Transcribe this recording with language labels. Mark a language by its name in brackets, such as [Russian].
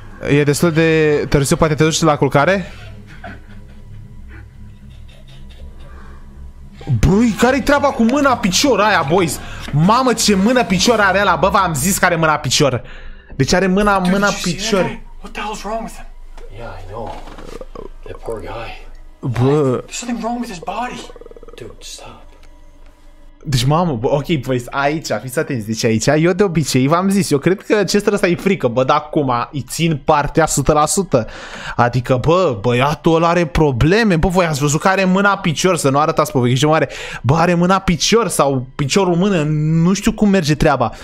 [Romanian] E destul de târziu, poate te duci la culcare? Brui, care-i treaba cu mâna picior aia, boys? Mamă, ce mână picior are ăla, bă, v-am zis că are mâna picior. Deci are mâna picior. [English] What the hell's wrong with him? Yeah, I know. That poor guy. [Romanian] Bă. [English] There's something wrong with his body. Dude, stop. [Romanian] Deci mamă, bă, ok, boys, aici, fiți atenți, deci aici, eu de obicei v-am zis, eu cred că chestia asta e frică, bă, dar acum îi țin partea 100%. Adică, bă, băiatul ăla are probleme, bă, voi ați văzut că are mâna picior, să nu arătați pe voi, mare, bă, are mâna picior sau piciorul mână, nu știu cum merge treaba.